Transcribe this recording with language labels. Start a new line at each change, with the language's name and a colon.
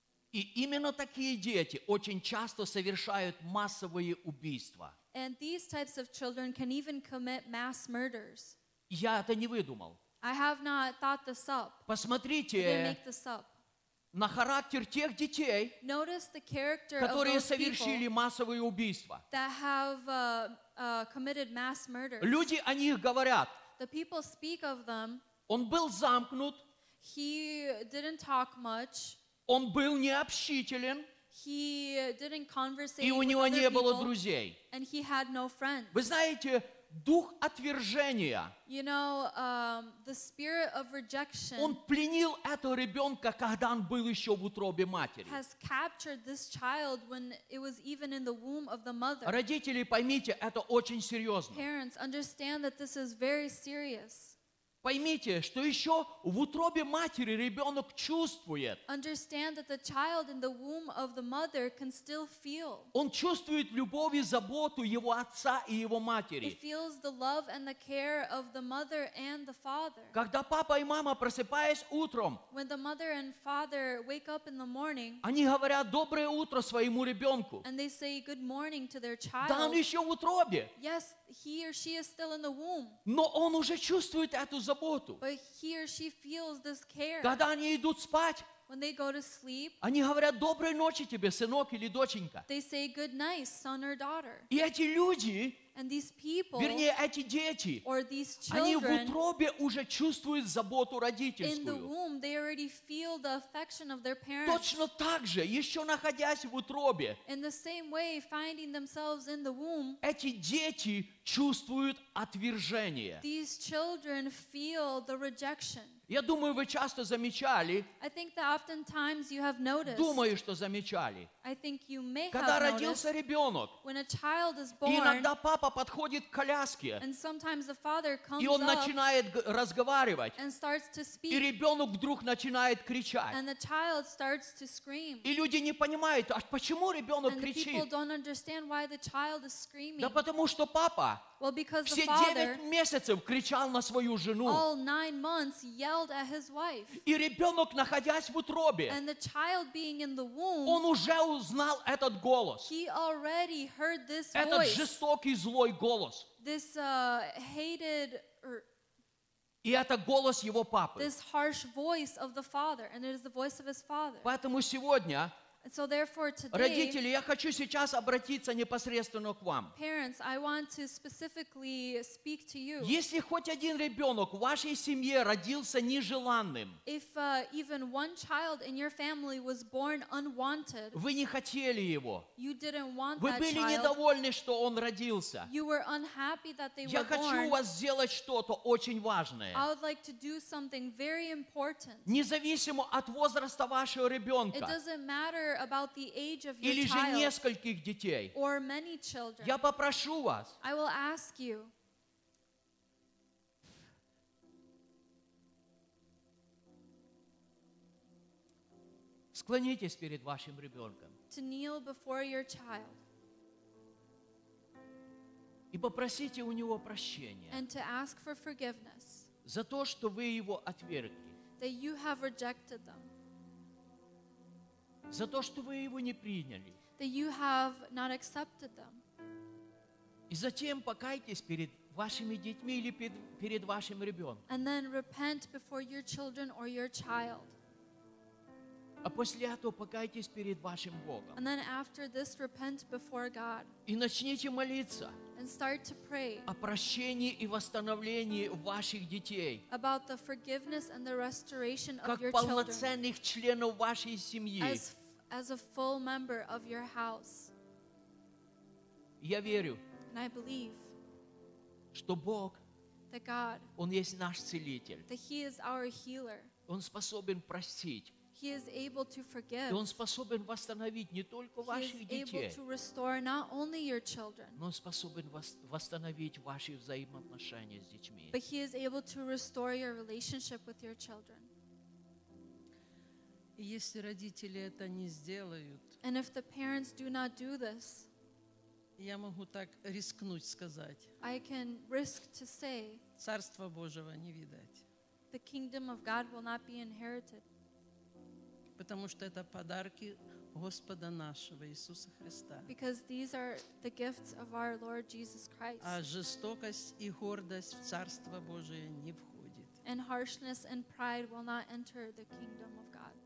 Russian: И именно такие дети очень часто совершают массовые убийства.
English: And these types of children can even commit mass murders.
Russian: Я это не выдумал.
English: I have not thought this up.
Russian: Посмотрите.
English: I didn't make this up.
Russian: На характер тех детей,
English: Notice the character
Russian: которые совершили массовые убийства.
English: That have, committed mass murders.
Russian: Люди о них говорят.
English: The people speak of them.
Russian: Он был замкнут.
English: He didn't talk much.
Russian: Он был необщителен.
English: He didn't conversate
Russian: И у него
English: with other
Russian: не было
English: people,
Russian: друзей.
English: And he had no friends.
Russian: Вы знаете, дух отвержения,
English: you know, the spirit of rejection,
Russian: он пленил этого ребенка, когда он был еще в утробе матери.
English: Has captured this child when it was even in the womb of the mother.
Russian: Родители, поймите, это очень серьезно.
English: Parents, understand that this is very serious.
Russian: Поймите, что еще в утробе матери ребенок чувствует.
English: Understand that the child in the womb of the mother can still feel.
Russian: Он чувствует любовь и заботу его отца и его матери.
English: He feels the love and the care of the mother and the father.
Russian: Когда папа и мама, просыпаясь утром,
English: when the mother and father wake up in the morning,
Russian: они говорят доброе утро своему ребенку.
English: And they say good morning to their child.
Russian: Да, он еще в утробе.
English: Yes, he or she is still in the womb.
Russian: Но он уже чувствует эту заботу.
English: But he or she feels this care.
Russian: Когда они идут спать,
English: when they go to sleep,
Russian: они говорят доброй ночи тебе, сынок или доченька.
English: They say good night, son or daughter.
Russian: И эти люди,
English: and these people,
Russian: вернее эти дети,
English: or these children,
Russian: они в утробе уже чувствуют заботу родительскую.
English: In the womb, they already feel the affection of their parents.
Russian: Точно так же, еще находясь в утробе,
English: in the same way, finding themselves in the womb,
Russian: эти дети чувствуют отвержение.
English: These children feel the rejection.
Russian: Я думаю, вы часто замечали.
English: I think that oftentimes you have noticed.
Russian: Думаю, что замечали.
English: I think you may have
Russian: когда родился ребенок,
English: when a child is born,
Russian: иногда папа подходит к коляске,
English: and sometimes the father comes
Russian: и он начинает разговаривать,
English: and starts to speak,
Russian: и ребенок вдруг начинает кричать.
English: And the child starts to scream.
Russian: И люди не понимают, а почему ребенок
English: and
Russian: кричит?
English: The people don't understand why the child is screaming.
Russian: Да потому что папа
English: well, because
Russian: все
English: the father,
Russian: 9 месяцев кричал на свою жену.
English: All 9 months yelled at his wife.
Russian: И ребенок, находясь в утробе,
English: and the child being in the womb,
Russian: он уже узнал этот голос.
English: He already heard this
Russian: этот
English: voice,
Russian: жестокий, злой голос.
English: This, hated, or,
Russian: и это голос его папы.
English: This harsh voice of the father, and it is the voice of his father.
Russian: Поэтому сегодня,
English: and so therefore today,
Russian: родители, я хочу сейчас обратиться непосредственно к вам.
English: Parents, I want to specifically speak to you.
Russian: Если хоть один ребенок в вашей семье родился нежеланным,
English: if even one child in your family was born unwanted,
Russian: вы не хотели его,
English: you didn't want
Russian: вы
English: that
Russian: были
English: child,
Russian: недовольны, что он родился,
English: you were unhappy that they
Russian: я
English: were
Russian: хочу
English: born,
Russian: у вас сделать что-то очень важное.
English: I would like to do something very important.
Russian: Независимо от возраста вашего ребенка,
English: it doesn't matter about the age of your
Russian: или же
English: child,
Russian: нескольких детей,
English: or many children,
Russian: я попрошу вас,
English: I will ask you,
Russian: склонитесь перед вашим ребенком,
English: to kneel before your child,
Russian: и попросите у него прощения,
English: and to ask for forgiveness,
Russian: за то, что вы его отвергли,
English: that you have rejected them,
Russian: за то, что вы его не приняли.
English: That you have not accepted them.
Russian: И затем покайтесь перед вашими детьми или перед вашим ребенком.
English: And then repent before your children or your child.
Russian: А после этого покайтесь перед вашим Богом.
English: And then after this, repent before God.
Russian: И начните молиться.
English: And start to pray.
Russian: О прощении и восстановлении ваших детей.
English: About the forgiveness and the restoration of
Russian: как
English: your
Russian: полноценных
English: children,
Russian: членов вашей семьи.
English: As a full member of your house.
Russian: Я верю.
English: And I believe
Russian: что Бог,
English: that God,
Russian: Он есть наш целитель.
English: That He is our healer.
Russian: Он способен простить.
English: He is able to forgive.
Russian: И Он способен восстановить не только ваших детей.
English: He is able to restore not only your children.
Russian: Но Он способен восстановить ваши взаимоотношения с детьми.
English: But He is able to restore your relationship with your children.
Russian: И если родители это не сделают,
English: and if the parents do not do this,
Russian: я могу так рискнуть сказать,
English: I can risk to say,
Russian: Царства Божьего не видать.
English: The kingdom of God will not be inherited.
Russian: Потому что это подарки Господа нашего Иисуса Христа.
English: Because these are the gifts of our Lord Jesus Christ.
Russian: А жестокость и гордость в Царство Божие не входит.
English: And harshness and pride will not enter the kingdom of God.